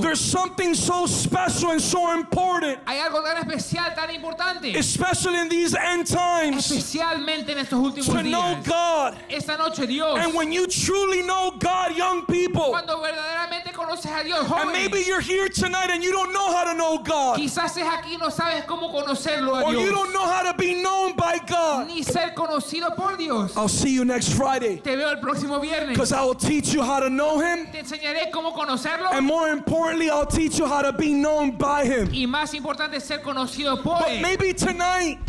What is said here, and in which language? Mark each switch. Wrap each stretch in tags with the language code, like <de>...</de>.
<en>There's something so special and so important, especially in these end times, to know God. And when you truly know God, young people,</en> <es>conoces a Dios, jóvenes.</es> <en>And maybe you're here tonight and you don't know how to know God.</en> <es>Quizás es aquí no sabes cómo conocerlo a Dios.</es> <en>Or you don't know how to be known by God.</en> <es>Ni ser conocido por Dios.</es> <en>I'll see you next Friday.</en> <es>Te veo el próximo viernes.</es> <en>Because I will teach you how to know Him.</en> <es>Te enseñaré cómo conocerlo.</es> <en>And more importantly, I'll teach you how to be known by Him.</en> <es>Y más importante ser conocido por</es> <en>But</en> <es>él.</es> <en>Maybe tonight.</en>